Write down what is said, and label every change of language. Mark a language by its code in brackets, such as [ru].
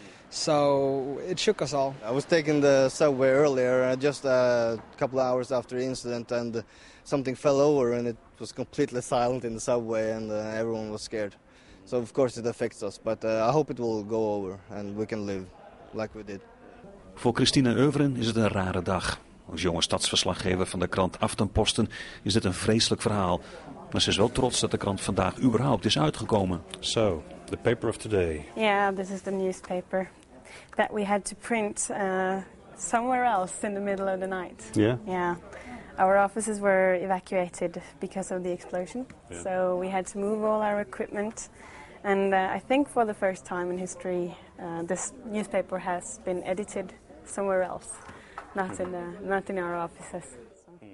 [en] So it shook us all. I was taking the subway earlier, just a couple of hours after the incident, and something fell over and it was completely silent in the subway and everyone was scared. So of course it affects us, but I hope it will go over and we can live like we did. [nl] Voor Christina Euveren is het een rare dag. Als jonge stadsverslaggever van de krant Aftenposten is dit een vreselijk verhaal. Maar ze is wel trots dat de krant vandaag überhaupt is uitgekomen. [en] So, the paper of today. Yeah, this is the newspaper that we had to print somewhere else in the middle of the night. Yeah. Yeah. Our offices were evacuated because of the explosion. Yeah. So we had to move all our equipment. And I think for the first time in history, this newspaper has been edited somewhere else, not in our offices. So.